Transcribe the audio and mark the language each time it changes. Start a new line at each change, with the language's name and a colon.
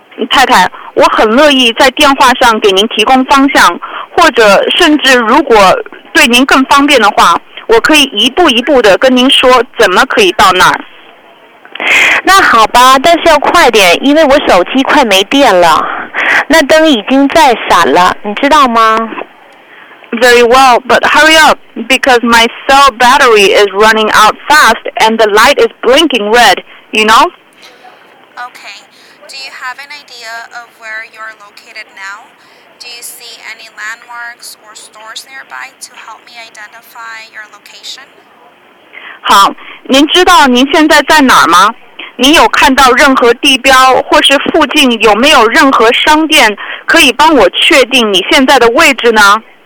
Chinese: 太太，我很乐意在电话上给您提供方向，或者甚至如果对您更方便的话，我可以一步一步的跟您说怎么可以到那儿。那好吧，但是要快点，因为我手机快没电了，那灯已经在闪了，你知道吗？
English: Very well, but hurry up, because my cell battery is running out fast and the light is blinking red, you know? Okay. Do you have an idea of where you're located now? Do you see any landmarks or stores nearby to help me identify your location?
Chinese: 好，您知道您现在在哪儿吗？您有看到任何地标，或是附近有没有任何商店可以帮我确定你现在的位置呢？